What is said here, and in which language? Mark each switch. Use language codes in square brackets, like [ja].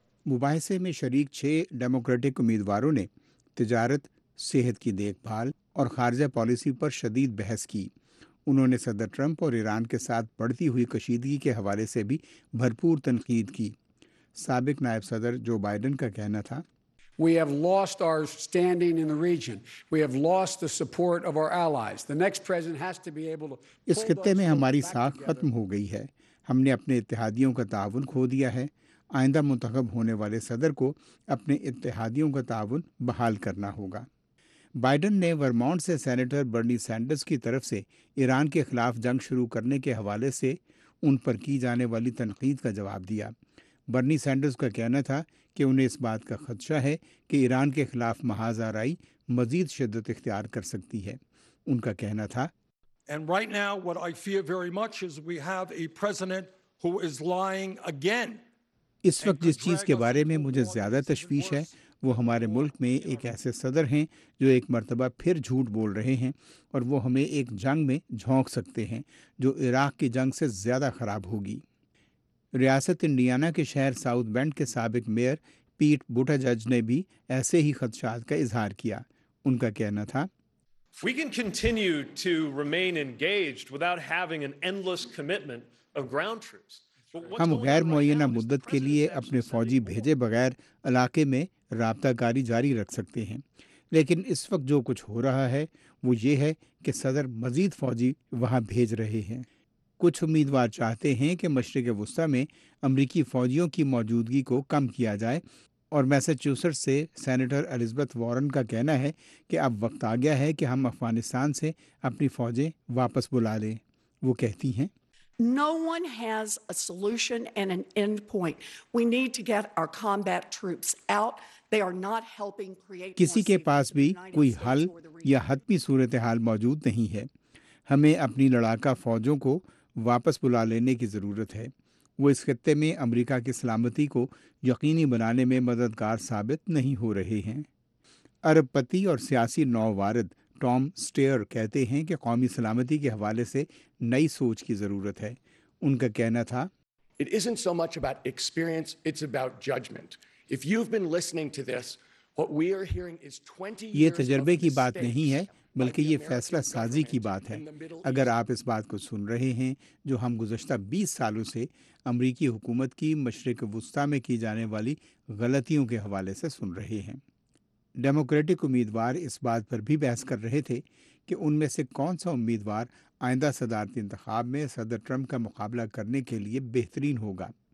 [ur] مباحثے میں شریک 6 ڈیموکریٹک امیدواروں نے تجارت، صحت کی دیکھ بھال اور خارجہ پالیسی پر شدید بحث کی۔ انہوں نے صدر ٹرمپ اور ایران کے ساتھ بڑھتی ہوئی کشیدگی کے حوالے سے بھی بھرپور تنقید کی۔ سابق نائب صدر جو بائیڈن کا کہنا تھا، [en] We have lost our standing in the region. We have lost the support of our allies. The next president has to be able to... [ur] اس خطے میں ہماری ساکھ ختم ہو گئی ہے، ہم نے اپنے اتحادیوں کا تعاون کھو دیا ہے۔ آئندہ منتخب ہونے والے صدر کو اپنے اتحادیوں کا تعاون بحال کرنا ہوگا۔ بائیڈن نے ورمونٹ سے سینیٹر برنی سینڈرز کی طرف سے ایران کے خلاف جنگ شروع کرنے کے حوالے سے ان پر کی جانے والی تنقید کا جواب دیا۔ برنی سینڈرز کا کہنا تھا کہ انہیں اس بات کا خدشہ ہے کہ ایران کے خلاف محاذ آرائی مزید شدت اختیار کر سکتی ہے۔ ان کا کہنا تھا، [en] And right now what I fear very much is we have a president who is lying again. [ur] اس وقت جس چیز کے بارے میں مجھے زیادہ تشویش ہے وہ ہمارے ملک میں ایک ایسے صدر ہیں جو ایک مرتبہ پھر جھوٹ بول رہے ہیں، اور وہ ہمیں ایک جنگ میں جھونک سکتے ہیں جو عراق کی جنگ سے زیادہ خراب ہوگی۔ ریاست انڈیانا کے شہر ساؤتھ بینڈ کے سابق میئر پیٹ بوٹاجج نے بھی ایسے ہی خدشات کا اظہار کیا۔ ان کا کہنا تھا، [en] We can continue to remain engaged without having an endless commitment of ground troops. [ur] ہم غیر معینہ مدت کے لیے اپنے فوجی بھیجے بغیر علاقے میں رابطہ کاری جاری رکھ سکتے ہیں، لیکن اس وقت جو کچھ ہو رہا ہے وہ یہ ہے کہ صدر مزید فوجی وہاں بھیج رہے ہیں۔ کچھ امیدوار چاہتے ہیں کہ مشرق وسطی میں امریکی فوجیوں کی موجودگی کو کم کیا جائے، اور میساچوسٹس سے سینیٹر الزبتھ وارن کا کہنا ہے کہ اب وقت آ گیا ہے کہ ہم افغانستان سے اپنی فوجیں واپس بلا لیں۔ وہ کہتی ہیں، [en] No one has a solution and an end point. We need to get our combat troops out. They are not helping create... [ur] کسی کے پاس بھی کوئی حل یا حتمی صورتحال موجود نہیں ہے۔ ہمیں اپنی لڑاکا فوجوں کو واپس بلا لینے کی ضرورت ہے۔ وہ اس خطے میں امریکہ کی سلامتی کو یقینی بنانے میں مددگار ثابت نہیں ہو رہے ہیں۔ عرب پتی اور سیاسی نووارد ٹام سٹیئر کہتے ہیں کہ قومی سلامتی کے حوالے سے نئی سوچ کی ضرورت ہے۔ ان کا کہنا تھا، [en] It isn't so much about experience, it's about judgment. If you've been listening to this, what we are hearing is 20 years... [ur] یہ تجربے کی بات نہیں ہے بلکہ یہ فیصلہ سازی کی بات ہے۔ اگر آپ اس بات کو سن رہے ہیں جو ہم گزشتہ 20 سالوں سے امریکی حکومت کی مشرق وسطی میں کی جانے والی غلطیوں کے حوالے سے سن رہے ہیں۔ ڈیموکریٹک امیدوار اس بات پر بھی بحث کر رہے تھے کہ ان میں سے کون سا امیدوار آئندہ صدارتی انتخاب میں صدر ٹرمپ کا مقابلہ کرنے کے لیے بہترین ہوگا۔